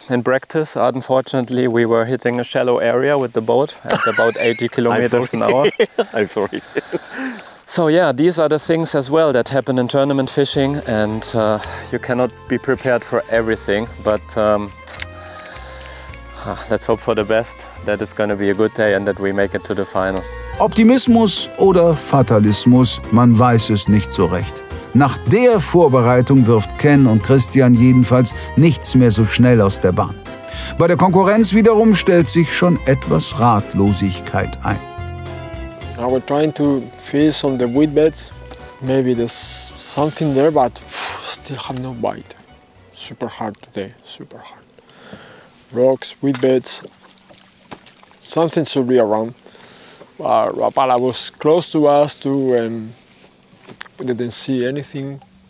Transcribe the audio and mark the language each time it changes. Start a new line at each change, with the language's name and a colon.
English: In practice, unfortunately, we were hitting a shallow area with the boat at about 80 kilometers an hour. I'm sorry. So yeah, these are the things as well that happen in tournament fishing, and you cannot be prepared for everything, but let's hope for the best, that it's going to be a good day and that we make it to the final.
German: Optimismus oder Fatalismus, man weiß es nicht so recht. Nach der Vorbereitung wirft Ken und Christian jedenfalls nichts mehr so schnell aus der Bahn. Bei der Konkurrenz wiederum stellt sich schon etwas Ratlosigkeit ein.
English: I was trying to fish on the weed beds. Maybe there's something there, but still have no bite. Super hard today, super hard. Rocks, weed beds, something should be around. But I was close to us too, and we didn't see anything.